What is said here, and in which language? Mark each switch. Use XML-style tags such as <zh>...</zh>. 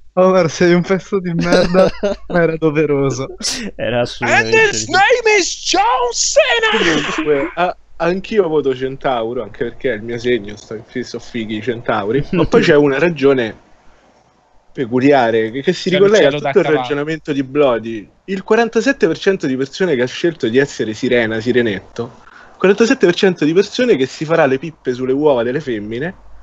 <it>Omar, sei un pezzo di merda, ma era doveroso. Era assurdo.</it> <en>And his name is John Cena!</en> <it>Comunque, anch'io voto centauro, anche perché è il mio segno, sto fisso fighi i centauri. Ma poi c'è una ragione peculiare, che si ricollega a tutto il ragionamento di Bloody. Il 47% di persone che ha scelto di essere sirena, sirenetto, 47% di persone che si farà le pippe sulle uova delle femmine.</it>